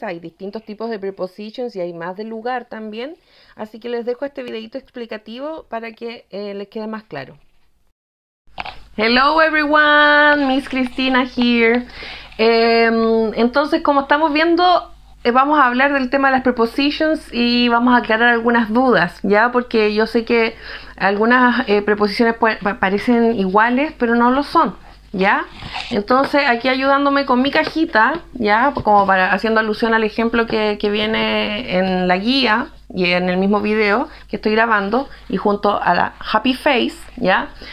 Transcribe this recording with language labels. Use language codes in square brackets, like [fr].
[es] Hay distintos tipos de prepositions y hay más de lugar también. Así que les dejo este videito explicativo para que les quede más claro. [en] Hello everyone, Miss Cristina here. [es] Entonces, como estamos viendo, vamos a hablar del tema de las prepositions y vamos a aclarar algunas dudas, ¿ya? Porque yo sé que algunas preposiciones parecen iguales, pero no lo son, ¿ya? Entonces, aquí ayudándome con mi cajita, ¿ya? Como para haciendo alusión al ejemplo que viene en la guía y en el mismo video que estoy grabando y junto a la Happy Face, ¿ya?